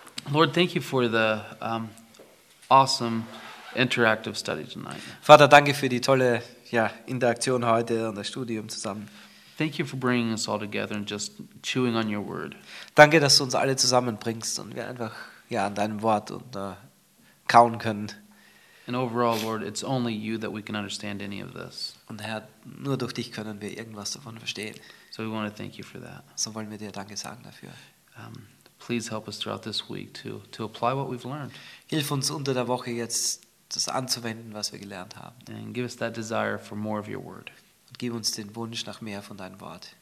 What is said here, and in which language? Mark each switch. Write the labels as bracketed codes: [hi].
[en] Lord, thank you for the awesome interactive study tonight. [de] Vater, danke für die tolle Interaktion heute und das Studium zusammen. [en] Thank you for bringing us all together and just chewing on your word. [de] Danke, dass du uns alle zusammenbringst und wir einfach an deinem Wort und kauen können. [en] And overall, Lord, it's only you that we can understand any of this. [de] Und Herr, nur durch dich können wir irgendwas davon verstehen. [en] So we want to thank you for that. [de] So wollen wir dir danke sagen dafür. [en] Please help us throughout this week to apply what we've learned. [de] Hilf uns unter der Woche jetzt das anzuwenden, was wir gelernt haben. [en] And give us that desire for more of your word. [de] Und gib uns den Wunsch nach mehr von deinem Wort.